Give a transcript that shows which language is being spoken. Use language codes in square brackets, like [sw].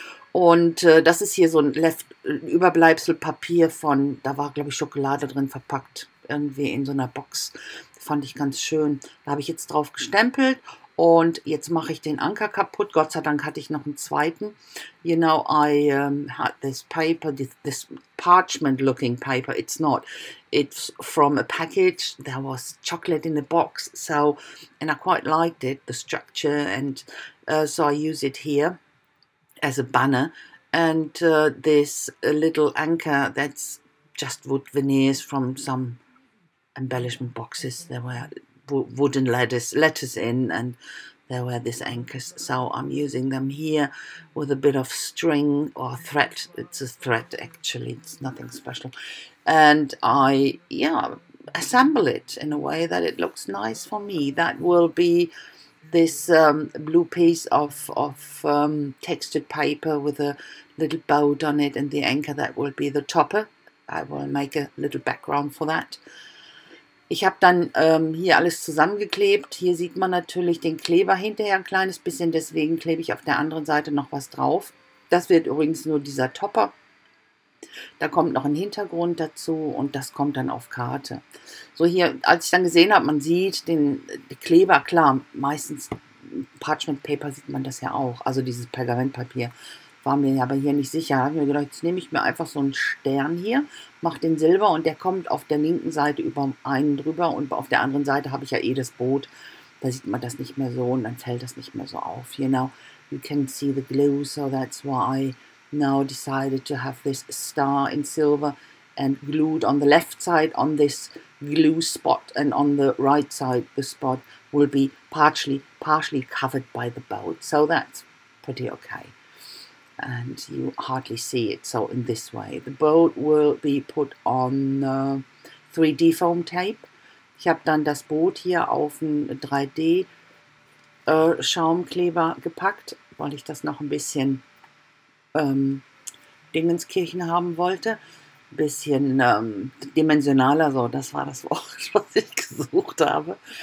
[de] Und das ist hier so ein Überbleibselpapier von, da war, glaube ich, Schokolade drin verpackt, irgendwie in so einer Box. Fand ich ganz schön. Da habe ich jetzt drauf gestempelt und jetzt mache ich den Anker kaputt. Gott sei Dank hatte ich noch einen zweiten. [en] You know, I had this paper, this parchment looking paper. It's not. It's from a package. There was chocolate in the box. So, and I quite liked it, the structure. And so I use it here as a banner. And this little anchor, that's just wood veneers from some embellishment boxes. There were wooden letters in, and there were these anchors. So I'm using them here with a bit of string or thread. It's a thread, actually. It's nothing special. And I, yeah, assemble it in a way that it looks nice for me. That will be this blue piece of textured paper with a little boat on it, and the anchor, that will be the topper. I will make a little background for that. [de] Ich habe dann hier alles zusammengeklebt. Hier sieht man natürlich den Kleber hinterher ein kleines bisschen. Deswegen klebe ich auf der anderen Seite noch was drauf. Das wird übrigens nur dieser Topper. Da kommt noch ein Hintergrund dazu und das kommt dann auf Karte. So hier, als ich dann gesehen habe, man sieht den Kleber, klar, meistens Parchment Paper sieht man das ja auch. Also dieses Pergamentpapier, war mir aber hier nicht sicher. Da habe ich mir gedacht, jetzt nehme ich mir einfach so einen Stern hier, mache den Silber und der kommt auf der linken Seite über einen drüber und auf der anderen Seite habe ich ja eh das Boot. Da sieht man das nicht mehr so und dann fällt das nicht mehr so auf. [en] You know, you can see the glue, so that's why I now decided to have this star in silver and glued on the left side on this glue spot and on the right side the spot will be partially covered by the belt. So that's pretty okay. And you hardly see it. So in this way, the belt will be put on 3D foam tape. [de] Ich habe dann das Boot hier auf einen 3D-Schaumkleber gepackt, weil ich das noch ein bisschen Dingenskirchen haben wollte. Ein bisschen dimensionaler, so, das war das Wort, was ich gesucht habe.